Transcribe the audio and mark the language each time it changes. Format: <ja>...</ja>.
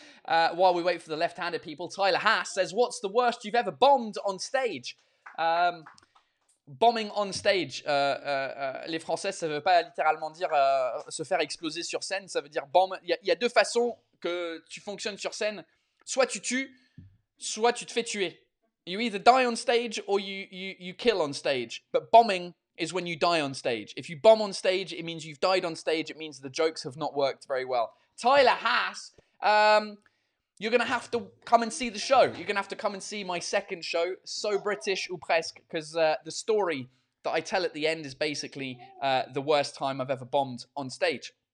<en>while we wait for the left-handed people, Tyler Haas says, what's the worst you've ever bombed on stage? bombing on stage.</en> <fr>Les Français, ça ne veut pas littéralement dire se faire exploser sur scène. Ça veut dire bomb. Il y a deux façons que tu fonctionnes sur scène. Soit tu tues, soit tu te fais tuer.</fr> <en>You either die on stage or you kill on stage. But bombing is when you die on stage. If you bomb on stage, it means you've died on stage. It means the jokes have not worked very well. Tyler Haas, you're going to have to come and see the show. You're going to have to come and see my second show, So British ou Presque, because the story that I tell at the end is basically the worst time I've ever bombed on stage.</en>